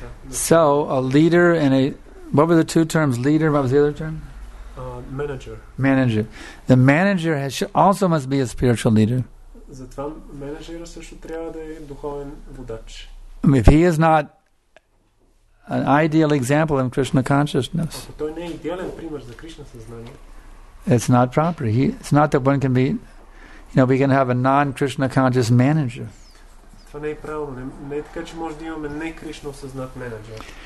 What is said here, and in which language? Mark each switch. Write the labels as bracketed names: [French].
[English] So, a leader and a... What were the two terms? Leader, what was the other term? Manager. Manager. The manager has, also must be a spiritual leader. [Bulgarian] Затова менеджера също трябва да е духовен водач. [English] If he is not an ideal example in Krishna consciousness, [Bulgarian] ако той не е идеален пример за Кришна съзнание, [English] it's not proper. It's not that one can be, you know, we can have a non-Krishna conscious manager. [Bulgarian] Това не е правилно. Не е така, че може да имаме не Кришна осъзнат менеджер.